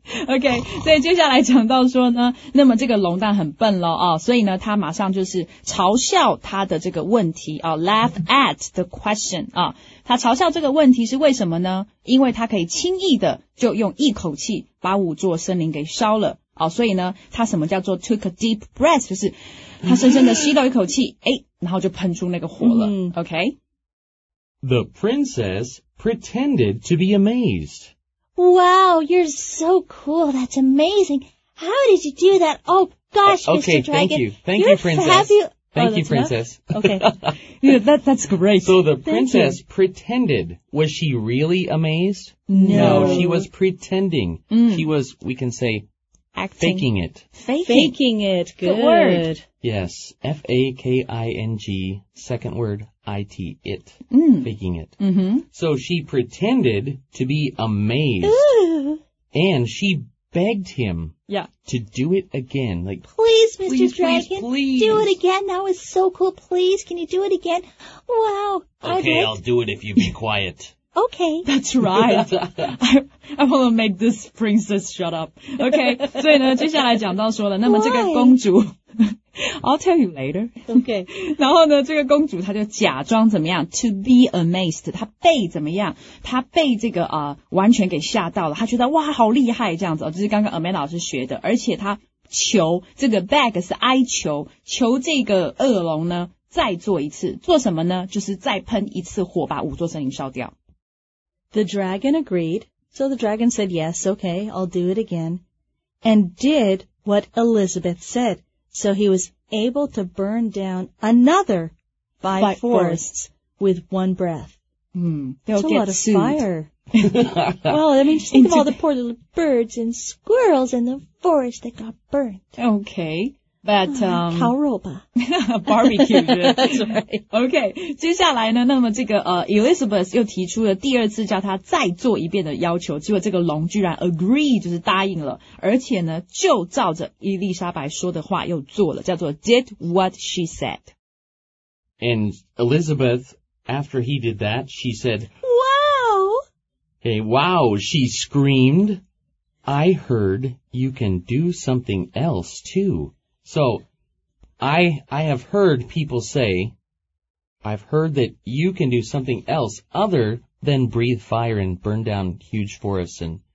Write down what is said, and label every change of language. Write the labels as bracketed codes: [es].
[zh] Okay, 所以接下来讲到说呢，那么这个龙蛋很笨咯，所以呢，他马上就是嘲笑他的这个问题， [en] laugh at the question. [zh] 他嘲笑这个问题是为什么呢?因为他可以轻易的就用一口气把五座森林给烧了，所以呢，他什么叫做 [en] took a deep breath, [zh] 就是他深深的吸到一口气，然后就喷出那个火了。 [en] Okay. The princess pretended to be amazed. Wow, you're so cool. That's amazing. How did you do that? Oh, gosh, okay, Mr. Dragon. Okay, thank you. Thank you, princess. Thank you, princess. Okay. Yeah, that's great. So the princess pretended. Was she really amazed? No. No, she was pretending. Mm. She was, we can say, acting. Faking it. Faking it. Good. Good word. Yes. F-A-K-I-N-G. Second word. I-T. It. Mm. Faking it. Mm-hmm. So she pretended to be amazed. Ooh. And she begged him to do it again. Like, please, Mr. Dragon, please. Do it again. That was so cool. Please, can you do it again? Wow. Okay, I'll do it if you be quiet. Okay. That's right. I want to make this princess shut up. Okay. [zh] 所以呢，接下来讲到说了，那么这个公主 ， [en] I'll tell you later. Okay. [zh] 然后呢，这个公主她就假装怎么样 ？ [en] To be amazed. [zh] 她被怎么样？她被这个完全给吓到了。她觉得哇，好厉害这样子哦，就是刚刚 Amanda 老师学的，而且她求这个 beg 是哀求，求这个恶龙呢再做一次，做什么呢？就是再喷一次火，把五座森林烧掉。 [en] The dragon agreed, so the dragon said, yes, okay, I'll do it again, and did what Elizabeth said, so he was able to burn down another five forests with one breath. That's a lot of fire. Well, I mean, just think of all the poor little birds and squirrels in the forest that got burnt. Okay. But, Cowropa. Barbecue. That's right. Okay. [zh] 接下来呢，那么这个Elizabeth 又提出了第二次叫他再做一遍的要求，结果这个龙居然 agree, 就是答应了，而且呢，就照着伊丽莎白说的话又做了，叫做 [en] did what she said. And Elizabeth, after he did that, she said, wow! Hey, wow, she screamed. I heard you can do something else too. So, I have heard people say, I've heard that you can do something else other than breathe fire and burn down huge forests and...